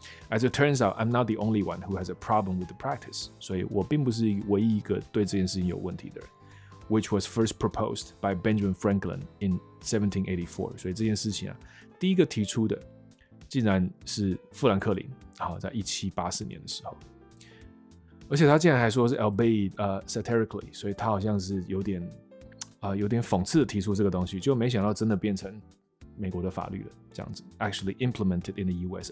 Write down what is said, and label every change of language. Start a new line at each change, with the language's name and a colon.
English: As it turns out, I'm not the only one who has a problem with the practice。
Chinese: 所以我并不是唯一一个对这件事情有问题的人。
English: Which was first proposed by Benjamin Franklin in 1784。
Chinese: 所以这件事情啊，第一个提出的竟然是富兰克林，好，在1784年的时候。而且他竟然还说是
English: albeit satirically，
Chinese: 所以他好像是有点讽刺的提出这个东西，就没想到真的变成美国的法律了，这样子
English: actually implemented in the U.S.